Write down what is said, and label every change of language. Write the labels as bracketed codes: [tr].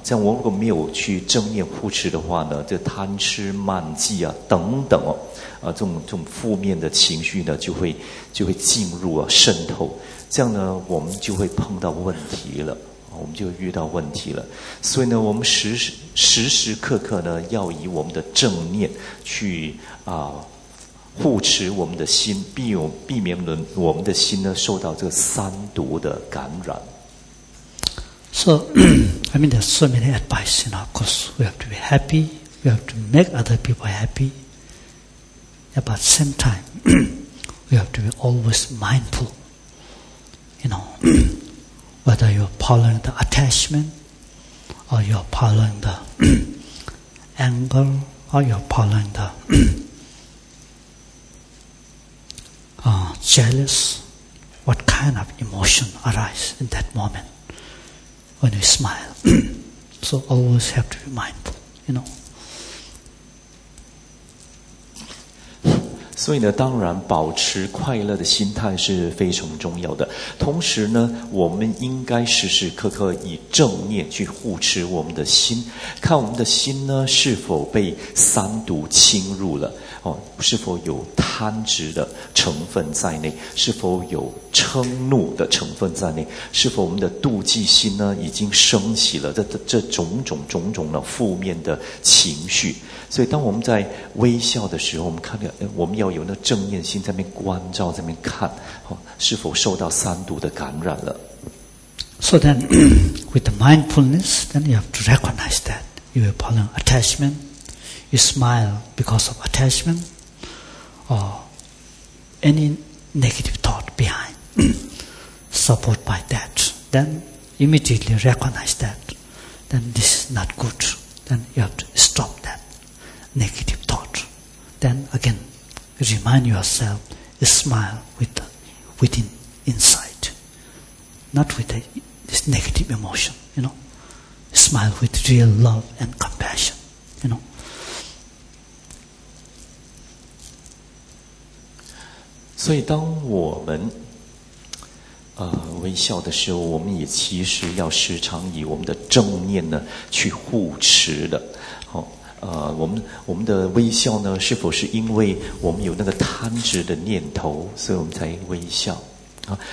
[zh] 这样我如果没有去正念护持的话呢，这贪痴慢忌啊等等啊，这种负面的情绪呢，就会进入啊渗透，这样呢，我们就会碰到问题了。我们就遇到问题了，所以呢，我们时时刻刻呢，要以我们的正念去护持我们的心，避免我们的心呢受到这个三毒的感染。 [en] So, I mean, there are so many advice in our course. We have to be happy. We have to make other people happy. Yeah, but at the same time, we have to be always mindful. You know. Whether you're following the attachment, or you're following the anger, or you're following the jealous, what kind of emotion arises in that moment when you smile? So always have to be mindful, you know. [zh] 所以呢，当然保持快乐的心态是非常重要的。同时呢，我们应该时时刻刻以正念去护持我们的心，看我们的心呢是否被三毒侵入了，是否有贪执的成分在内，是否有嗔怒的成分在内，是否我们的妒忌心呢已经升起了这种种的负面的情绪。所以当我们在微笑的时候，我们看到我们要有那正念心在那边关照，在那边看是否受到三毒的感染了。 [en] So then with the mindfulness, then you have to recognize that you are pulling attachment, you smile because of attachment or any negative thought behind supported by that, then immediately recognize that, then this is not good, then you have to stop thatnegative thought. Then again, remind yourself, smile within inside, not with this negative emotion, you know. Smile with real love and compassion, you know. [zh] 所以当我们微笑的时候，我们也其实要时常以我们的正念呢去护持的。我们的微笑呢，是否是因为我们有那个贪执的念头，所以我们才微笑啊？